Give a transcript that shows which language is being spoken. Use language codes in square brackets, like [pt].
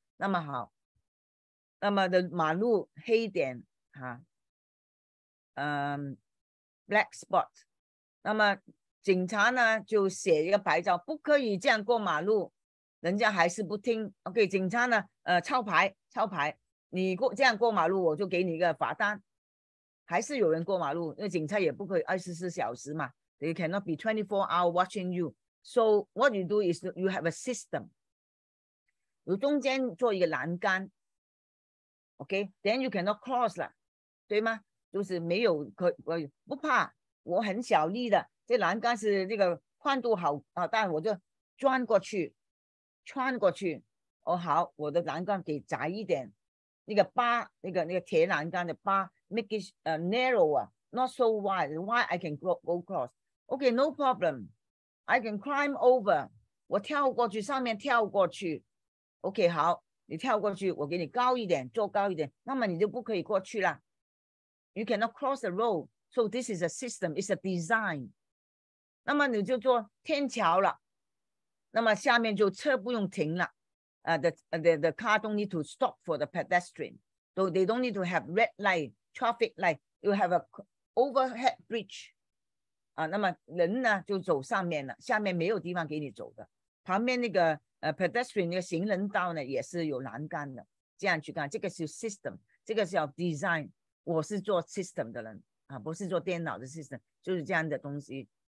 [zh] 那么好，那么的马路黑点哈， [en] black spot， [zh] 那么警察呢就写一个牌照，不可以这样过马路，人家还是不听。 OK， 警察呢抄牌，抄牌，你过这样过马路我就给你一个罚单。还是有人过马路，因为警察也不可以24小时嘛。 [en] They cannot be 24 hours watching you. So what you do is you have a system. [zh] 有中间做一个栏杆。 [en] OK, then you cannot cross [zh] 了。对吗？就是没有，不怕，我很小力的。这栏杆是这个宽度好，但我就钻过去，穿过去。哦，好，我的栏杆给窄一点。那个疤，那个铁栏杆的疤。 [en] Make it narrower, not so wide. Why I can go cross? Okay, no problem. I can climb over. [zh] 我跳过去，上面跳过去。 Okay, 好，你跳过去，我给你高一点，坐高一点，那么你就不可以过去了。 [en] You cannot cross the road. So this is a system. It's a design. [zh] 那么你就做天桥了，那么下面就车不用停了。 [en] The car don't need to stop for the pedestrian. So they don't need to have red light. Traffic light, you have a overhead bridge. [zh] 啊，那么人呢就走上面了，下面没有地方给你走的。旁边那个pedestrian 那个行人道呢也是有栏杆的，这样去看。这个是 system， 这个是要 design。我是做 system 的人啊，不是做电脑的 system， 就是这样的东西。